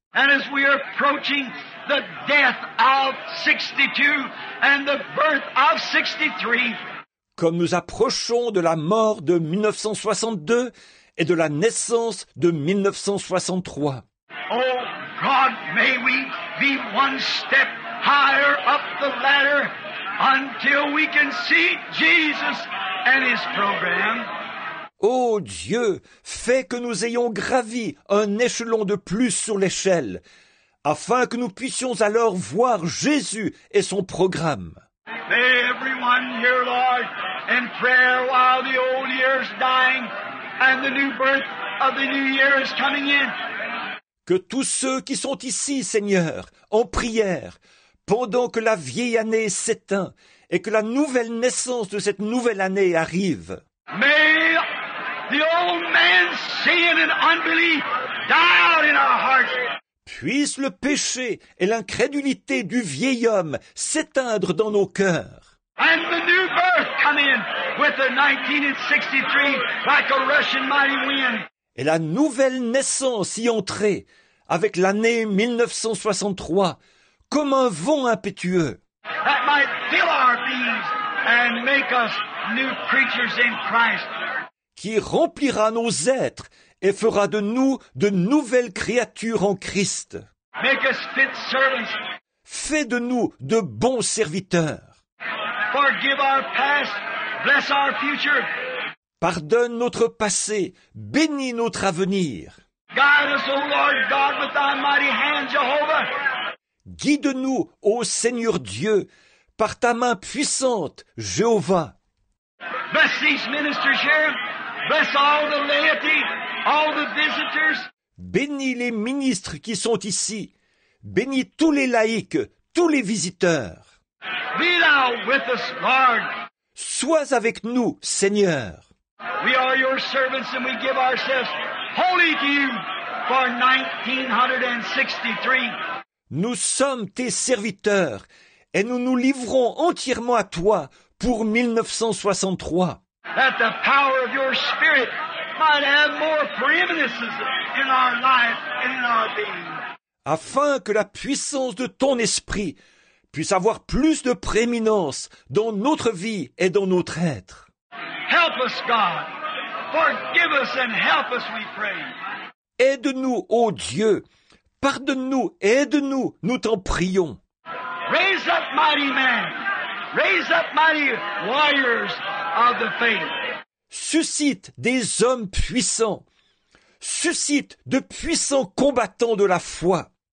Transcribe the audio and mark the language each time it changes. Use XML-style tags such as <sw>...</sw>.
<en>And as we are approaching the death of 62 and the birth of 63,</en> <fr>comme nous approchons de la mort de 1962 et de la naissance de 1963.</fr> <en>Oh God, may we be one step higher up the ladder. Until we can see Jesus and his program.</en> <fr>Oh Dieu, fais que nous ayons gravi un échelon de plus sur l'échelle, afin que nous puissions alors voir Jésus et son programme.</fr> <en>May everyone here, Lord, in prayer while the old year is dying and the new birth of the new year is coming in.</en> <fr>Que tous ceux qui sont ici, Seigneur, en prière, pendant que la vieille année s'éteint et que la nouvelle naissance de cette nouvelle année arrive.</fr> <en>May the old man, sin and unbelief die out in our hearts.</en> <fr>Puisse le péché et l'incrédulité du vieil homme s'éteindre dans nos cœurs.</fr> <en>And the new birth come in with the 1963 like a rushing mighty wind.</en> <fr>Et la nouvelle naissance y entrer avec l'année 1963. Comme un vent impétueux.</fr> <en>That might fill our beings and make us new creatures in Christ.</en> <fr>Qui remplira nos êtres et fera de nous de nouvelles créatures en Christ.</fr> <en>Make us fit servants.</en> <fr>Fais de nous de bons serviteurs.</fr> <en>Forgive our past, bless our future.</en> <fr>Pardonne notre passé, bénis notre avenir.</fr> <en>Guide us, O Lord God, with thy mighty hand, Jehovah.</en> <fr>Guide-nous, ô Seigneur Dieu, par ta main puissante, Jéhovah.</fr> <en>Bless these ministers here. Bless all the laity, all the visitors.</en> <fr>Bénis les ministres qui sont ici. Bénis tous les laïcs, tous les visiteurs.</fr> <en>Be thou with us, Lord.</en> <fr>Sois avec nous, Seigneur.</fr> <en>We are your servants and we give ourselves wholly to you for 1963.</en> <fr>Nous sommes tes serviteurs et nous nous livrons entièrement à toi pour 1963.</fr> <en>That the power of your spirit might have more preeminence in our life and in our being.</en> <fr>Afin que la puissance de ton esprit puisse avoir plus de préminence dans notre vie et dans notre être.</fr> <en>Help us, God. Forgive us and help us, we pray.</en> <fr>Aide-nous, ô Dieu. Pardonne-nous, aide-nous, nous t'en prions.</fr> <en>Raise up mighty men. Raise up mighty warriors of the faith.</en> <fr>Suscite des hommes puissants. Suscite de puissants combattants de la foi.</fr>